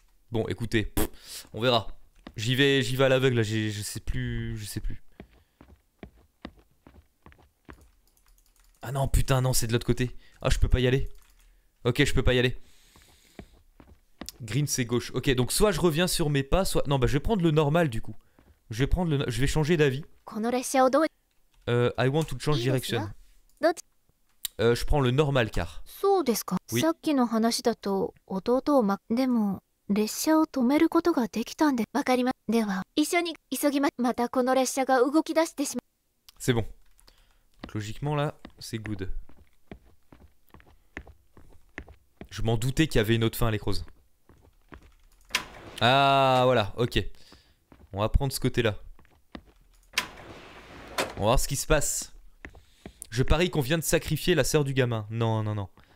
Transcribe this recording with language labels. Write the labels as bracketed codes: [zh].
[fr] Bon, écoutez, on verra. J'y vais à l'aveugle, là, je sais plus, je sais plus. Ah non, putain, non, c'est de l'autre côté. Ah, je peux pas y aller. Ok, je peux pas y aller. Green, c'est gauche. Ok, donc soit je reviens sur mes pas, soit... Non, bah, je vais prendre le normal, du coup. Je vais changer d'avis. [en] I want to change direction. [fr] Je prends le normal car. [ja] そうですか。さっきの話だと弟をま、でも列車を止めることができたんで、わかります。では一緒に急ぎます。またこの列車が動き出してしまう。 [fr] C'est bon. Logiquement là, c'est good. Je m'en doutais qu'il y avait une autre fin à l'écrose. Ah voilà, ok. On va prendre ce côté-là. On va voir ce qui se passe. Je parie qu'on vient de sacrifier la sœur du gamin. Non, non, non.